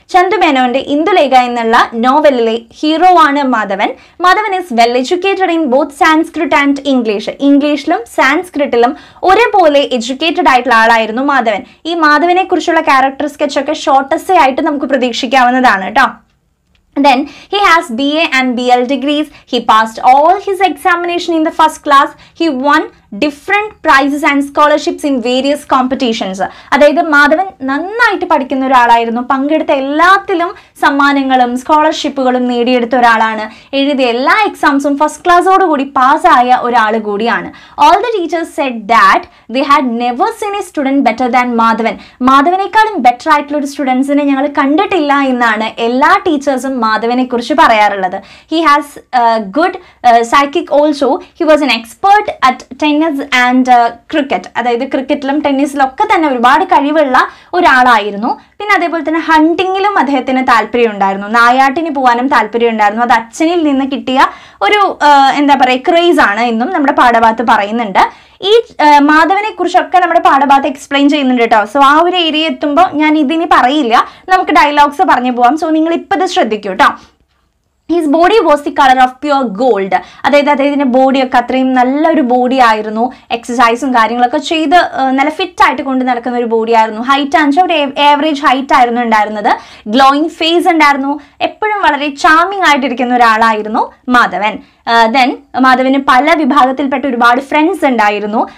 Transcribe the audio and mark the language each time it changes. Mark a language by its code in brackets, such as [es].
[ml] ചന്തുമേനോന്റെ ഇന്ദുലേഖ എന്നുള്ള നോവലിലെ ഹീറോ ആണ് Madhavan. [en] Madhavan is well educated in both Sanskrit and English. [ml] ഇംഗ്ലീഷിലും സാൻസ്ക്രിറ്റിലും ഒരേപോലെ എഡ്യൂക്കേറ്റഡ് ആയിട്ടുള്ള ആളായിരുന്നു മാധവൻ. ഈ മാധവനെ കുറിച്ചുള്ള ക്യാരക്ടർ സ്കെച്ച് ഒക്കെ ഷോർട്ടസ്റ്റേ ആയിട്ട് നമുക്ക് പ്രതീക്ഷിക്കാവുന്നതാണ് കേട്ടോ. [en] Then he has BA and BL degrees. He passed all his examination in the first class. He won different prizes and scholarships in various competitions. [ml] അതായത് മാധവൻ നന്നായിട്ട് പഠിക്കുന്ന ഒരാളായിരുന്നു. പങ്കെടുത്ത എല്ലാത്തിലും സമ്മാനങ്ങളും സ്കോളർഷിപ്പുകളും നേടിയെടുത്ത ഒരാളാണ്. എഴുതിയ എല്ലാ എക്സാംസും ഫസ്റ്റ് ക്ലാസ്സോടുകൂടി പാസ്സായ ഒരാൾ കൂടിയാണ്. [en] All the teachers said that they had never seen a student better than Madhavan. [ml] മാധവനേക്കാളും better ആയിട്ടുള്ള ഒരു സ്റ്റുഡൻസിനെ ഞങ്ങൾ കണ്ടിട്ടില്ല എന്നാണ് എല്ലാ ടീച്ചേഴ്സും മാധവനെ കുറിച്ച് പറയാറുള്ളത്. [en] He has good psychic also. He was an expert at tennis and cricket. [ml] അതായത് ക്രിക്കറ്റിലും ടെന്നീസിലും ഒക്കെ തന്നെ ഒരുപാട് കഴിവുള്ള ഒരാളായിരുന്നു. പിന്നെ അതേപോലെ തന്നെ ഹണ്ടിങ്ങിലും അദ്ദേഹത്തിന് താല്പര്യം ഉണ്ടായിരുന്നു. നായാട്ടിന് പോകാനും താല്പര്യം ഉണ്ടായിരുന്നു. അത് അച്ഛനിൽ നിന്ന് കിട്ടിയ ഒരു എന്താ പറയുക, ക്രേസ് ആണ് എന്നും നമ്മുടെ പാഠഭാഗത്ത് പറയുന്നുണ്ട്. ഈ മാധവനെ കുറിച്ചൊക്കെ നമ്മുടെ പാഠഭാഗത്ത് എക്സ്പ്ലെയിൻ ചെയ്യുന്നുണ്ട് കേട്ടോ. സോ ആ ഒരു ഏരിയ എത്തുമ്പോൾ ഞാൻ ഇതിനി പറയില്ല, നമുക്ക് ഡയലോഗ്സ് പറഞ്ഞു പോവാം. സോ നിങ്ങൾ ഇപ്പൊ ഇത് ശ്രദ്ധിക്കൂ കേട്ടോ. [en] His body was the color of pure gold. [ml] അതായത് അദ്ദേഹത്തിൻ്റെ ബോഡിയൊക്കെ അത്രയും നല്ലൊരു ബോഡി ആയിരുന്നു. എക്സസൈസും കാര്യങ്ങളൊക്കെ ചെയ്ത് നല്ല ഫിറ്റായിട്ട് കൊണ്ട് നടക്കുന്ന ഒരു ബോഡി ആയിരുന്നു. ഹൈറ്റ് ആണെന്ന് വെച്ചാൽ ഒരു ആവറേജ് ഹൈറ്റ് ആയിരുന്നു ഉണ്ടായിരുന്നത്. ഗ്ലോയിങ് ഫേസ് ഉണ്ടായിരുന്നു. എപ്പോഴും വളരെ ചാർമിംഗ് ആയിട്ടിരിക്കുന്ന ഒരാളായിരുന്നു മാധവൻ. ദെൻ മാധവന് പല വിഭാഗത്തിൽപ്പെട്ട ഒരുപാട് ഫ്രണ്ട്സ് ഉണ്ടായിരുന്നു.